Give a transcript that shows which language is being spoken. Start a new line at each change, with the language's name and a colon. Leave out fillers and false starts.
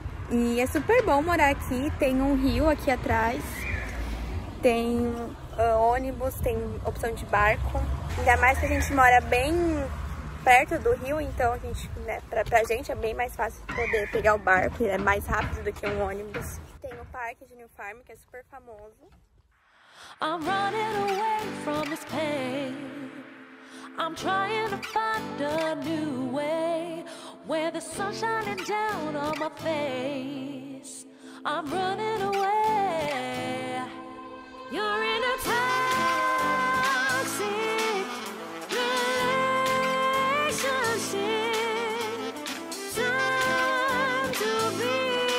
Portuguese: E é super bom morar aqui, tem um rio aqui atrás, tem ônibus, tem opção de barco. Ainda mais que a gente mora bem perto do rio, então a gente, né, pra gente é bem mais fácil poder pegar o barco, é mais rápido do que um ônibus. Tem o parque de New Farm, que é super famoso.
English: I'm running away from this pain. I'm trying to find a new way. Where the sun's shining down on my face. I'm running away. You're in a toxic relationship. Time to be